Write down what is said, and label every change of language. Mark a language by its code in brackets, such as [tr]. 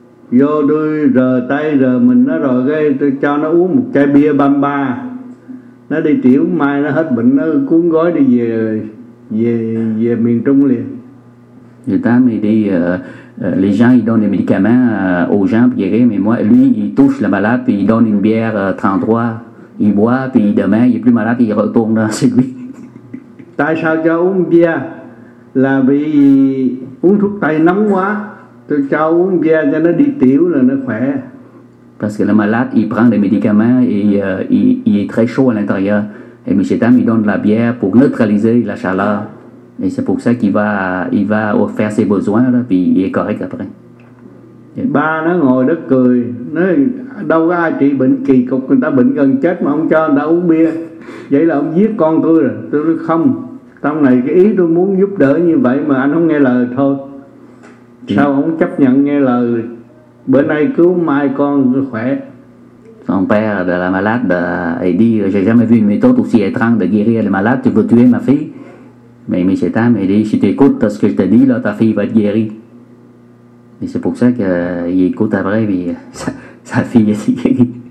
[vi] Vô tôi rờ tay rờ mình nó rồi cái tôi cho nó uống một chai bia Bamba, nó đi tiểu, mai nó hết bệnh nó cuốn gói đi về miền Trung liền. Người ta mới đi [fr] les gens ils donnent des médicaments aux gens pour guérir, mais moi lui il touche la malade puis il donne une bière 33, il boit puis demain il est plus malade, il retourne dans chez lui. [vi] Tại sao cho uống bia? Là vì uống thuốc tây nóng quá. Tôi cho uống bia cho nó đi tiểu là nó khỏe. [fr] Parce que le malade il prend des médicaments et il est très chaud à l'intérieur. Et M. Tam il donne la bière pour neutraliser la chaleur. Et c'est pour ça qu'il va faire ses besoins là, puis il est correct après. Yeah. [vi] Ba nó ngồi đó cười, nói đâu có ai trị bệnh kỳ cục, người ta bệnh gần chết mà ông cho người ta uống bia. Vậy là ông giết con tôi rồi. Tôi nói không, trong này cái ý tôi muốn giúp đỡ như vậy mà anh không nghe lời thôi. Sao không chấp nhận nghe lời, bữa nay cứu mai con tôi khỏe. [fr] Son père de la malade a dit, j'ai jamais vu une méthode aussi étrange de guérir les malades, tu veux tuer ma fille? Mais M. Tam a dit, si tu écoutes ce que je te dis là, ta fille va être guérie. Et c'est pour ça qu'il écoute après, puis sa fille est guérie.